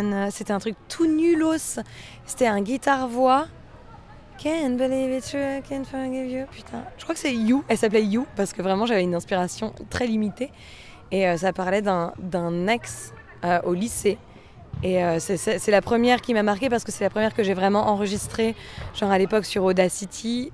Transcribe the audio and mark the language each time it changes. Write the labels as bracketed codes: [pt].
[fr] C'était un truc tout nulos. C'était un guitare voix. [en] Can't believe it's true, can't forgive you. [fr] Putain, je crois que c'est You. Elle s'appelait You parce que vraiment j'avais une inspiration très limitée. Et ça parlait d'un ex au lycée. Et c'est la première qui m'a marquée parce que c'est la première que j'ai vraiment enregistrée, genre à l'époque sur Audacity.